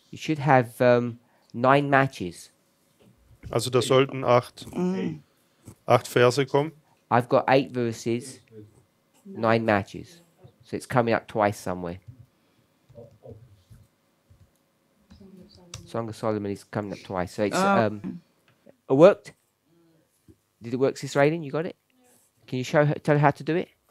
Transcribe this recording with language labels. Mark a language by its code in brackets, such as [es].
[en] You should have 9 matches. [de] Also da sollten 8 Verse kommen. [en] I've got 8 verses, 9 matches. So it's coming up twice somewhere. Song of Solomon is coming up twice. So it's it worked? Did it work, Sis Raylan? You got it? Can you show her, tell her how to do it?